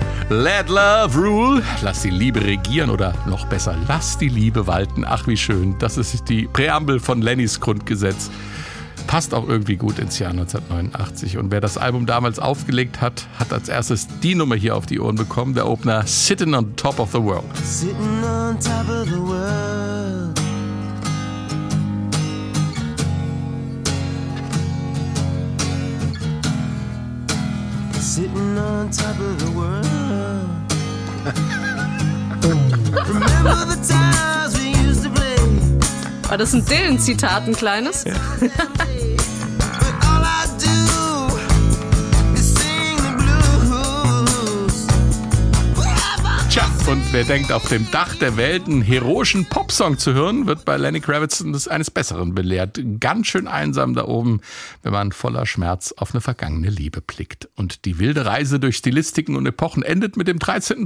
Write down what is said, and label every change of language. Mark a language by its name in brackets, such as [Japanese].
[English] Let love rule. [German] Lass die Liebe regieren oder noch besser, lass die Liebe walten. Ach, wie schön. Das ist die Präambel von Lennys Grundgesetz. Passt auch irgendwie gut ins Jahr 1989. Und wer das Album damals aufgelegt hat, hat als erstes die Nummer hier auf die Ohren bekommen. Der Opener Sitting on Top of the World. [English] Sitting on top of the world. Sitting on top of the world. Remember the times we used to play. [German] War das ein Dylan-Zitat, ein kleines? [English] But all I do is sing the blues. [German] Tja, und wer denkt, auf dem Dach der Welt einen heroischen Popsong zu hören, wird bei Lenny Kravitz eines Besseren belehrt. Ganz schön einsam da oben, wenn man voller Schmerz auf eine vergangene Liebe blickt. Und die wilde Reise durch Stilistiken und Epochen endet mit dem 13.